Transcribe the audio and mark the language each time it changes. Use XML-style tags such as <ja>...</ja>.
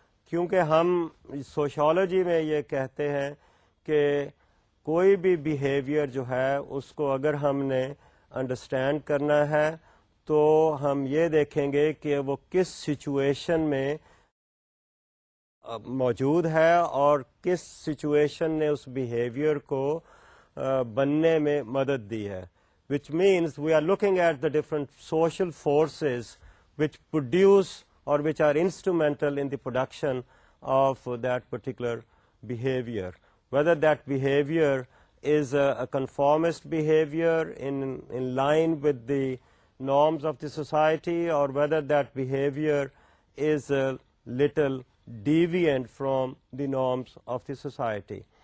<ur>کیونکہ ہم سوشیالوجی میں یہ کہتے ہیں کہ کوئی بھی بیہیویئر جو ہے اس کو اگر ہم نے انڈرسٹینڈ کرنا ہے تو ہم یہ دیکھیں گے کہ وہ کس سچویشن میں موجود ہے اور کس سچویشن نے اس بیہیویئر کو بننے میں مدد دی ہے.</ur> <en>Which means we are looking at the different social forces which produce اور which are instrumental in the production of that particular behaviour. Whether that behavior is a conformist behavior in line with the norms of the society or whether that behavior is a little deviant from the norms of the society.</en>